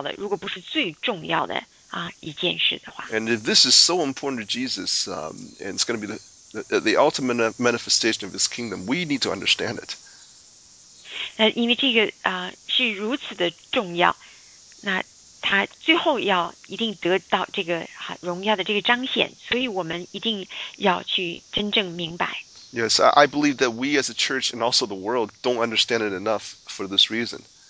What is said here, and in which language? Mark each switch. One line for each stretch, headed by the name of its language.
Chinese: 因为新耶路撒冷在耶稣他的心中是一个非常重要的，如果不是最重要的一件事的话。
English: And if this is so important to Jesus, and it's going to be the ultimate manifestation of his kingdom, we need to understand it.
Chinese: 因为这个是如此的重要，那他最后要一定得到这个荣耀的这个彰显，所以我们一定要去真正明白。
English: Yes, I believe that we as a church and also the world don't understand it enough for this reason.